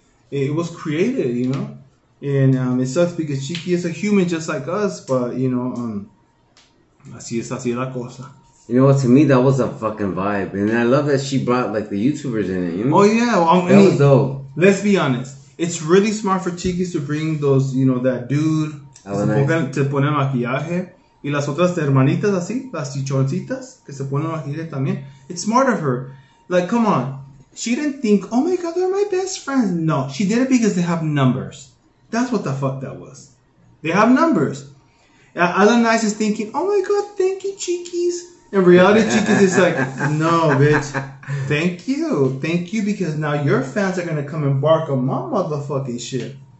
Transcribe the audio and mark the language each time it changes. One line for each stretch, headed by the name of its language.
English: It was created, you know? And it sucks because Chiqui is a human just like us, but you know,
Spanish: así es la cosa.
English: You know what, to me, that was a fucking vibe. And I love that she brought, like, the YouTubers in it, you know? Oh, yeah. Well, that was dope. Let's be honest. It's really smart for Chiquis to bring those, you know, that dude. Nice.
Spanish: Se pone maquillaje. Y las otras hermanitas así, las chichoncitas, que se ponen maquillaje también.
English: It's smart of her. Like, come on. She didn't think, oh my God, they're my best friends. No, she did it because they have numbers. That's what the fuck that was. They have numbers. Alan Nice is thinking, oh my God, thank you, Chiquis. In reality, Chiquis is like, no, bitch. Thank you, because now your fans are going to come and bark on my motherfucking shit.